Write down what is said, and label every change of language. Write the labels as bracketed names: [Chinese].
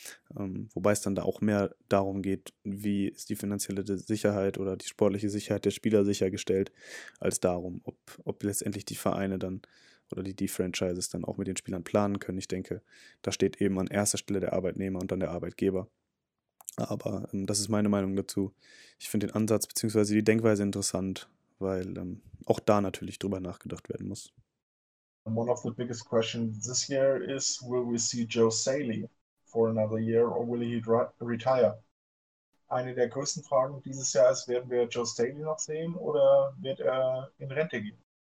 [German] Wobei es dann da auch mehr darum geht, wie ist die finanzielle Sicherheit oder die sportliche Sicherheit der Spieler sichergestellt, als darum, ob letztendlich die Vereine dann oder die Franchises dann auch mit den Spielern planen können. Ich denke, da steht eben an erster Stelle der Arbeitnehmer und dann der Arbeitgeber. Aber das ist meine Meinung dazu. Ich finde den Ansatz bzw. die Denkweise interessant, weil auch da natürlich drüber nachgedacht werden muss. [English] One of the biggest questions this year is, will we see Joe Saley for another year or will he retire? [German] Eine der größten Fragen dieses Jahr ist, werden wir Joe Saley noch sehen oder wird er in Rente gehen?